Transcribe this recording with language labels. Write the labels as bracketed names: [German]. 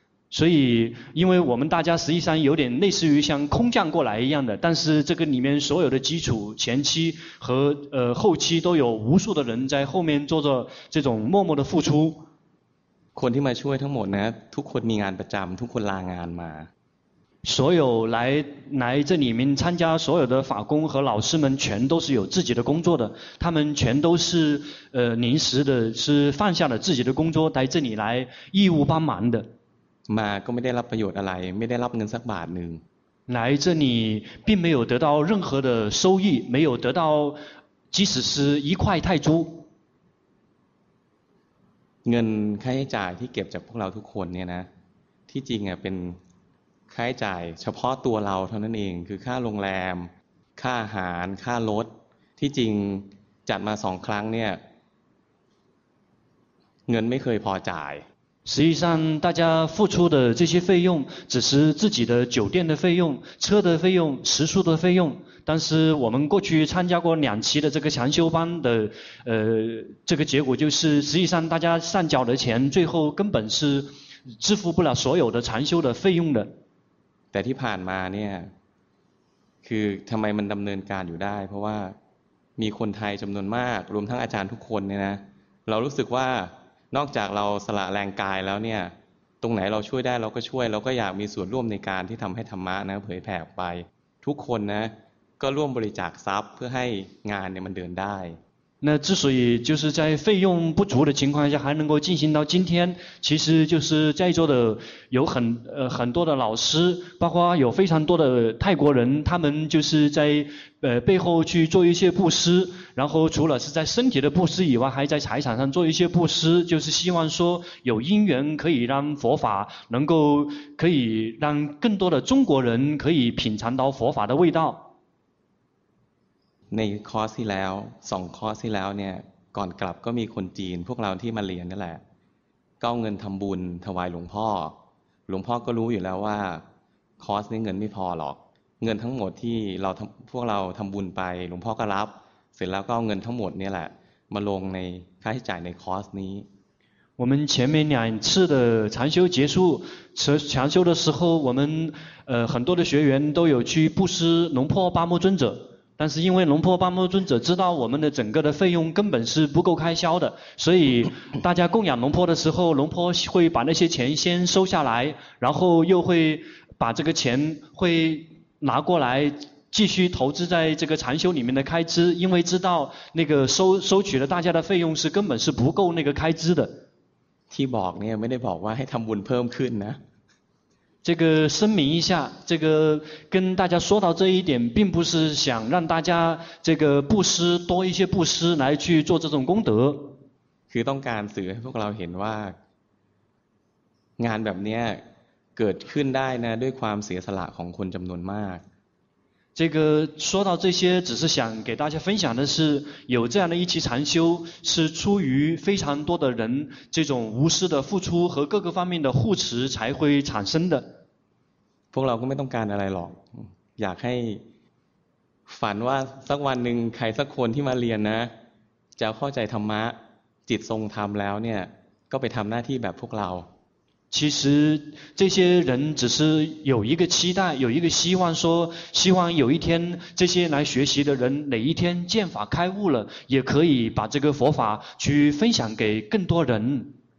[Chinese] 所以因为我们大家实际上有点类似于像空降过来一样的但是这个里面所有的基础前期和后期都有无数的人在后面做着这种默默的付出 [Thai] คนที่มาช่วยทั้งหมดนะทุกคนมีงานประจำทุกคนลางานมา [Chinese] 所有来这里面参加所有的法工和老师们全都是有自己的工作的他们全都是临时的是放下了自己的工作来这里来义务帮忙的 [Thai] มาก็ไม่ได้รับประโยชน์อะไรไม่ได้รับเงินสักบาทหนึ่ง [Chinese] 来这里并没有得到任何的收益没有得到即使是一块泰铢 [Thai] เงินค่าใช้จ่ายที่เก็บจากพวกเราทุกคนเนี่ยนะที่จริงอ่ะเป็นค่าใช้จ่ายเฉพาะตัวเราเท่านั้นเองคือค่าโรงแรมค่าอาหารค่ารถที่จริงจัดมา2ครั้งเนี่ยเงินไม่เคยพอจ่าย สิ่งที่ [Chinese] 大家付出的这些费用只是自己的酒店的费用车的费用食宿的费用但是我们过去参加过两期的这个禅修班的这个结果就是实际上大家上缴的钱最后根本是支付不了所有的禅修的费用的 [Thai] แต่ที่ผ่านมาเนี่ยคือทำไมมันดำเนินการอยู่ได้เพราะว่ามีคนไทยจำนวนมากรวมทั้งอาจารย์ทุกคนเนี่ยนะเรารู้สึกว่านอกจากเราสละแรงกายแล้วเนี่ยตรงไหนเราช่วยได้เราก็ช่วยเราก็อยากมีส่วนร่วมในการที่ทำให้ธรรมะนะเผยแผ่ไปทุกคนนะก็ร่วมบริจาคทรัพย์เพื่อให้งานเนี่ยมันเดินได้ [Chinese] 那之所以就是在费用不足的情况下还能够进行到今天其实就是在座的有很多的老师包括有非常多的泰国人他们就是在背后去做一些布施然后除了是在身体的布施以外还在财产上做一些布施就是希望说有因缘可以让佛法能够可以让更多的中国人可以品尝到佛法的味道 [Thai] ในคอร์สที่แล้ว2คอร์สที่แล้วเนี่ยก่อนกลับก็มีคนจีนพวกเราที่มาเรียนนั่นแหละก็เงินทำบุญถวายหลวงพ่อหลวงพ่อก็รู้อยู่แล้วว่าคอสนี่เงินไม่พอหรอกเงินทั้งหมดที่เราพวกเราทำบุญไปหลวงพ่อก็รับเสร็จแล้วก็เอาเงินทั้งหมดนี่แหละมาลงในค่าใช้จ่ายในคอสนี้ [Chinese] 我们前面两次的禅修结束禅修的时候我们很多的学员都有去布施龙婆巴木尊者但是因为龙婆巴木尊者知道我们的整个的费用根本是不够开销的所以大家供养龙婆的时候龙婆会把那些钱先收下来然后又会把这个钱会拿过来继续投资在这个禅修里面的开支因为知道那个 收取了大家的费用是根本是不够那个开支的 [Thai] ที่บอกเนี่ยไม่ได้บอกว่าให้ทำบุญเพิ่มขึ้นนะ [Chinese] 这个声明一下这个跟大家说到这一点并不是想让大家这个布施多一些布施来去做这种功德 [Thai] คือต้องการสื่อให้พวกเราเห็นว่างานแบบเนี้ยเกิดขึ้นได้นะด้วยความเสียสละของคนจำนวนมาก [Chinese] 这个说到这些只是想给大家分享的是有这样的一期禅修是出于非常多的人这种无私的付出和各个方面的护持才会产生的 [Thai] พวกเราก็ไม่ต้องการอะไรหรอกอยากให้ฝันว่าสักวันหนึ่งใครสักคนที่มาเรียนนะจะเข้าใจธรรมะจิตทรงธรรมแล้วเนี่ยก็ไปทำหน้าที่แบบพวกเรา [Chinese] 其实这些人只是有一个期待有一个希望说希望有一天这些来学习的人哪一天见法开悟了也可以把这个佛法去分享给更多人